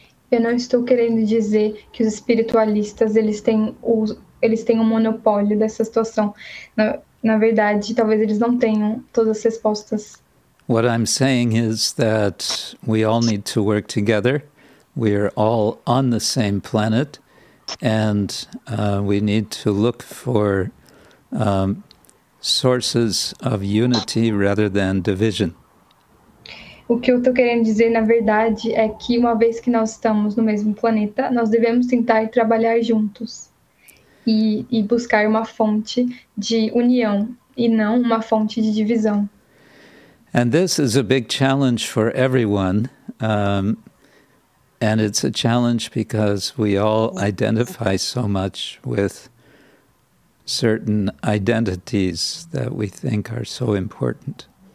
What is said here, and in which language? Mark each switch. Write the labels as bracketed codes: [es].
[pt] Eu não estou querendo dizer que os espiritualistas eles têm um monopólio dessa situação. Na verdade, talvez eles não tenham todas as respostas. [en] What I'm saying is that we all need to work together. We are all on the same planet, and we need to look for sources of unity rather than division. [pt] O que eu estou querendo dizer, na verdade, é que uma vez que nós estamos no mesmo planeta, nós devemos tentar trabalhar juntos e buscar uma fonte de união e não uma fonte de divisão. [en] And this is a big challenge for everyone, and it's a challenge because we all identify so much with certain identities that we think are so important.